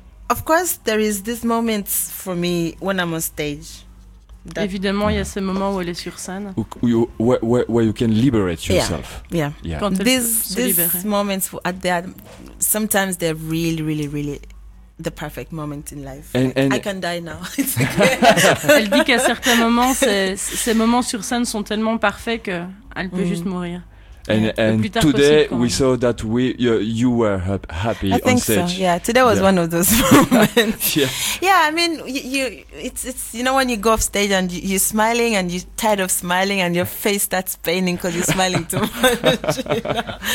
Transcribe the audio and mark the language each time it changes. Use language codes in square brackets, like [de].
[en] Of course, there is this moment for me when I'm on stage. [fr] That évidemment, il y a ce moment où elle est sur scène. [en] Where you can liberate yourself. Yeah. These moments at that, sometimes they're really, really, really the perfect moment in life. And I can die now. [fr] Elle dit qu'à certains moments, ces moments sur scène sont tellement parfaits que elle peut juste mourir. [en] And today we saw that you were happy on stage. I think so. Yeah, today was one of those moments. Yeah, I mean, it's you know when you go off stage and you're smiling and you're tired of smiling and your face starts paining because you're smiling too much.